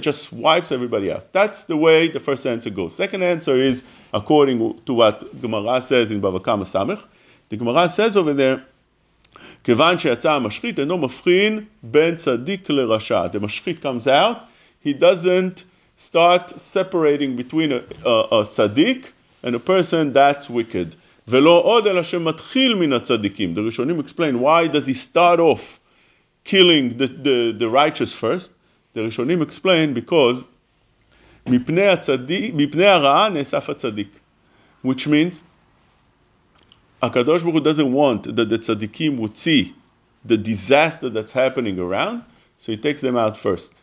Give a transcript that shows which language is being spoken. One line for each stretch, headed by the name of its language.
English: It just wipes everybody out. That's the way the first answer goes. Second answer is, according to what Gemara says in Bava Kama Samech, the Gemara says over there,
Hebrew: כיוון שיצא המשחית אינו מבחין בין צדיק לרשע.
English: The משחית comes out, he doesn't start separating between a צדיק and a person that's wicked.
Hebrew: ולא עוד אלא שמתחיל מן הצדיקים.
English: The Rishonim explain, why does he start off killing the righteous first? The Rishonim explain, because
Hebrew: מפני הרעה נאסף הצדיק.
English: Which means, HaKadosh Baruch Hu doesn't want that the tzaddikim would see the disaster that's happening around, so he takes them out first.